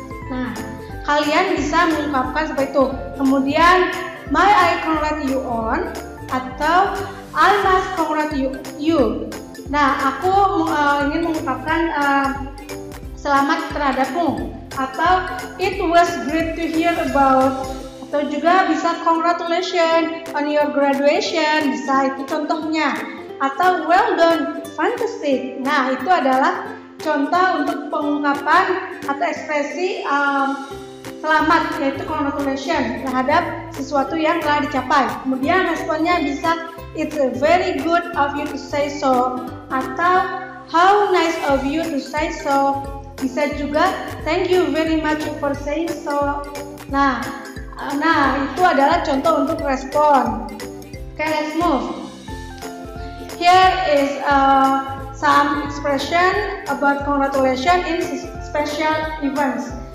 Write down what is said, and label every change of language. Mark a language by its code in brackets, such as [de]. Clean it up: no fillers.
[id] Nah, kalian bisa mengungkapkan seperti itu. Kemudian, [en] may I congratulate you on, atau I must congratulate you. [id] Nah, aku ingin mengungkapkan selamat terhadapmu, atau [en] it was great to hear about, [id] atau juga bisa [en] congratulations on your graduation, [id] bisa itu contohnya, atau [en] well done, fantastic. [id] Nah, itu adalah contoh untuk pengungkapan atau ekspresi selamat, yaitu congratulations terhadap sesuatu yang telah dicapai. Kemudian responnya bisa [en] it's very good of you to say so, atau how nice of you to say so. [id] Bisa juga [en] thank you very much for saying so. [id] Nah itu adalah contoh untuk respon. [en] Okay, let's move. Here is some expression about congratulations in special events.